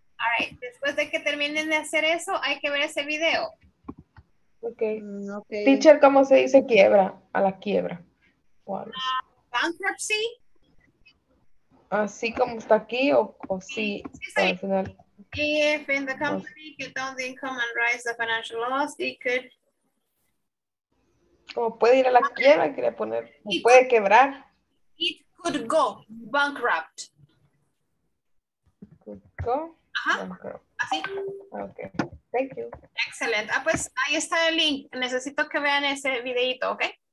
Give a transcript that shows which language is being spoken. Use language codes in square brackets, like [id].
[es] All right, después de que terminen de hacer eso, hay que ver ese video. Okay. Okay. Teacher, ¿cómo se dice quiebra? A la quiebra. [en] Bankruptcy. [es] Así como está aquí o sí, sí, sí. Al final. [en] If in the company you don't the income and rise the financial loss, it could. [es] Como puede ir a la quiebra, quería poner. It puede could, quebrar. [en] It could go bankrupt. Could go. [es] Ajá. Así. [en] Okay. Thank you. [es] Excellent. Ah, pues ahí está el link. Necesito que vean ese videito, ¿ok?